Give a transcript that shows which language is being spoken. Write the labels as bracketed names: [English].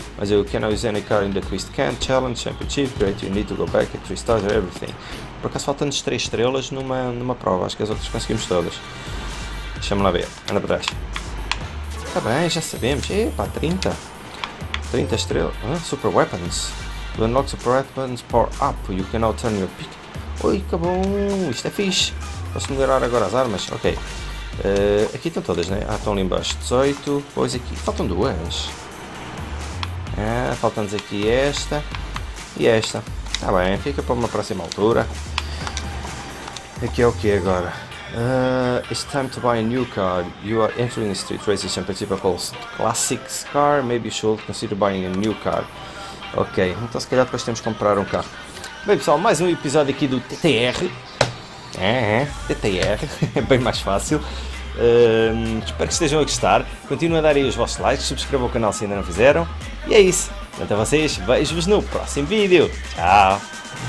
[English] Mas you can use any car in the Twist Can Challenge, Championship, Great, you need to go back at 3 stars or everything. [Portuguese] Por acaso faltam-nos 3 estrelas numa prova, acho que as outras conseguimos todas. Deixa-me lá ver, anda para trás. Tá bem, já sabemos. Epa, 30. 30 estrelas. Super Weapons. [English] To unlock Super Weapons Power Up, you can now turn your pick. [Portuguese] Ui, acabou. Isto é fixe. Posso melhorar agora as armas? Ok. Aqui estão todas, né? Ah, estão ali embaixo. 18, pois aqui. Faltam duas. Ah, faltam-nos aqui esta e esta. Tá bem, fica para uma próxima altura. Aqui é o que agora? [English] It's time to buy a new car. You are entering the Street Racing Championship of all classics car. Maybe you should consider buying a new car. [Portuguese] Ok, então se calhar depois temos que comprar um carro. Bem, pessoal, mais um episódio aqui do TTR. TTR, é bem mais fácil. Espero que estejam a gostar. Continuem a dar aí os vossos likes, subscrevam o canal se ainda não fizeram. E é isso, até vocês, vejo-vos no próximo vídeo. Tchau.